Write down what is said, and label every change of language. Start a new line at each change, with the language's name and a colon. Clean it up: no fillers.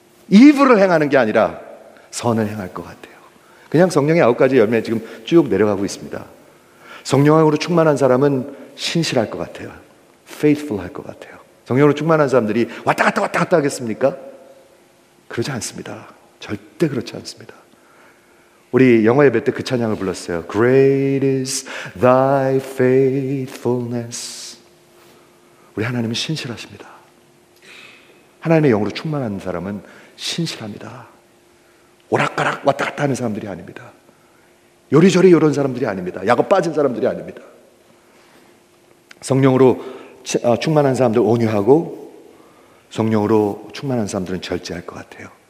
Korean: Evil을 행하는 게 아니라 선을 행할 것 같아요. 그냥 성령의 아홉 가지 열매 지금 쭉 내려가고 있습니다. 성령으로 충만한 사람은 신실할 것 같아요. Faithful 할 것 같아요. 성령으로 충만한 사람들이 왔다 갔다 왔다 갔다 하겠습니까? 그러지 않습니다. 절대 그렇지 않습니다. 우리 영어 예배 때 그 찬양을 불렀어요.
English: Great is thy faithfulness.
Korean: 우리 하나님은 신실하십니다. 하나님의 영으로 충만한 사람은 신실합니다. 오락가락 왔다 갔다 하는 사람들이 아닙니다. 요리조리 이런 사람들이 아닙니다. 야곱 빠진 사람들이 아닙니다. 성령으로 충만한 사람들 온유하고 성령으로 충만한 사람들은 절제할 것 같아요.